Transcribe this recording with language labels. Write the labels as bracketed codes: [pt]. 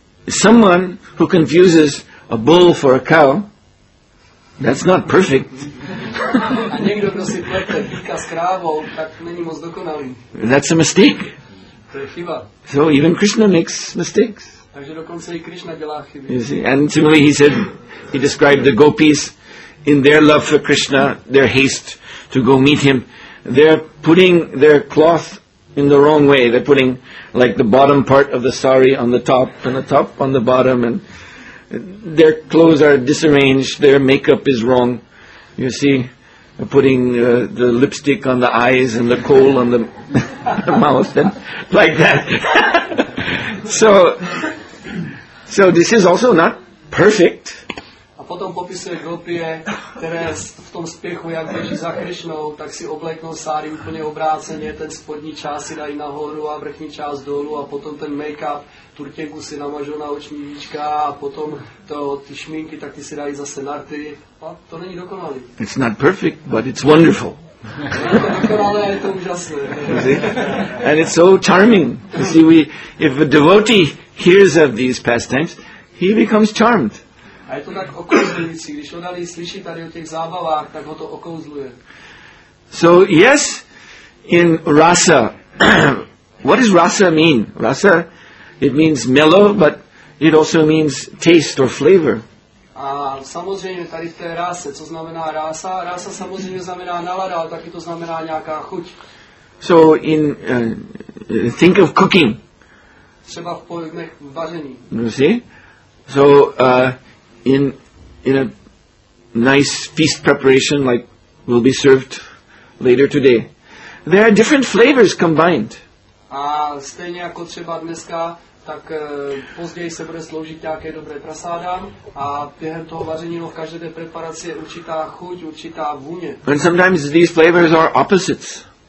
[en] Someone who confuses a bull for a cow, that's not perfect. [cs] A někdo, kdo si plete býka s krávou, tak není moc dokonalý. [en] That's a mistake. [cs] To je chyba. [en] So even Krishna makes mistakes. [cs] Takže dokonce i Krishna dělá chyby. [en] You see? And similarly he said, he described the gopis in their love for Krishna, their haste to go meet him. They're putting their cloth in the wrong way. They're putting like the bottom part of the sari on the top and the top on the bottom, and their clothes are disarranged, their makeup is wrong, you see, putting the lipstick on the eyes and the coal on the mouth and like that. So this is also not perfect. [cs] Potom popisuje gopie, které v tom spěchu, jak běží za Krišnou, tak si obléknou sáry úplně obráceně, ten spodní část si dají nahoru a vrchní část dolů a potom ten make-up, turtěnku si namažou na oční víčka a potom ty šminky, tak ty si dají zase na rty. A to není dokonalý. [en] It's not perfect, but it's wonderful. [cs] Dokonalé, je to úžasné. [en] And it's so charming. You see, if a devotee hears of these pastimes, he becomes charmed. [cs] A je to tak okouzlující, když oddalí slyší tady o těch zábavách, tak ho to okouzluje. [en] So yes, in rasa, what does rasa mean? Rasa, it means mellow, but it also means taste or flavor. [cs] A samozřejmě tady v té rase, co znamená rasa? Rasa samozřejmě znamená nalada, ale taky to znamená nějaká chuť. [en] So in, think of cooking. [cs] Třeba v pojmech vaření. [en] You see? So, In a nice feast preparation like will be served later today, there are different flavors combined. [cs] A stejně jako třeba dneska, tak později se bude sloužit nějaké dobré prasádá a během toho vaření v každé té preparaci je určitá chuť, určitá vůně. [en] And sometimes these flavors are opposites.